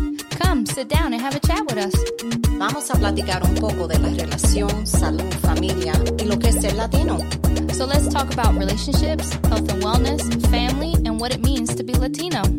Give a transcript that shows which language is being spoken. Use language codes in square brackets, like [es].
[en] Come, sit down and have a chat with us. [es] Vamos a platicar un poco de la relación, salud, familia, y lo que es ser latino. [en] So let's talk about relationships, health and wellness, family, and what it means to be Latino.